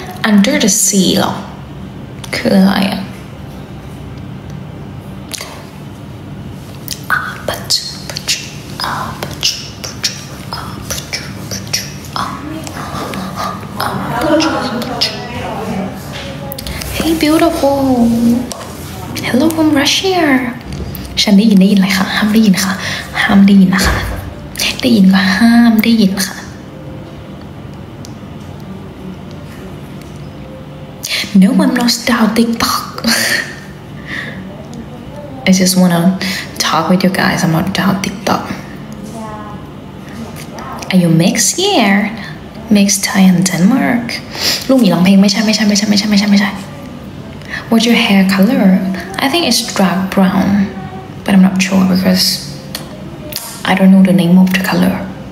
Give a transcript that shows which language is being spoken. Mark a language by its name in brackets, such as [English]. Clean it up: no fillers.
[Thai] Under the sea หรอคืออะไรอ่ะ [English] Hey beautiful Hello from Russia [Thai] ฉันได้ยินอะไรคะห้ามได้ยินนะคะได้ยิน ก็ห้ามได้ยินค่ะ [English] No, I'm not style TikTok. I just want to talk with you guys. I'm not style TikTok. Are you mixed here? Mixed Thai and Denmark. [Thai] ลูกมีร้องเพลงไม่ใช่ [English] What's your hair color? I think it's dark brown. But I'm not sure because I don't know the name of the color.